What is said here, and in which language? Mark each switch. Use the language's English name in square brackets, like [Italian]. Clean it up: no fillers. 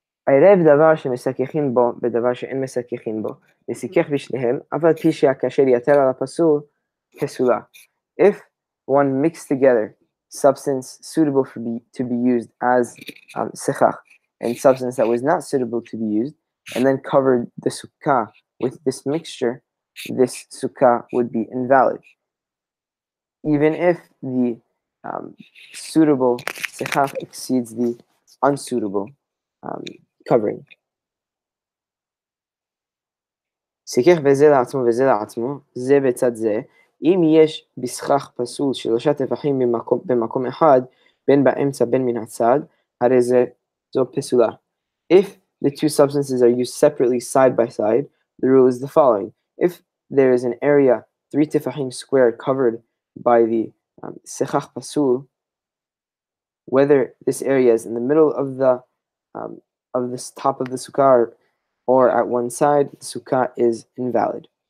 [Hebrew] עירב דבר שמסככין בו בדבר שאין מסככין בו, וסיכך בשניהם, אף על פי שהכאשר יתר על הפסול, פסולה. [English] If one mixed together substance suitable to be used as sechach, and substance that was not suitable to be used, and then covered the sukkah with this mixture, this sukkah would be invalid. Even if the suitable sechach exceeds the unsuitable covering. [Hebrew] סיכך וזה לעצמו וזה לעצמו, זה בצד זה, אם יש בסכך פסול שלושה טפחים במקום אחד, בין באמצע בין מן הצד, הרי זו פסולה. [English] If the two substances are used separately side by side, the rule is the following. If there is an area three tefachim square covered by the sechach pasul, whether this area is in the middle of the top of the sukkah or at one side, the sukkah is invalid.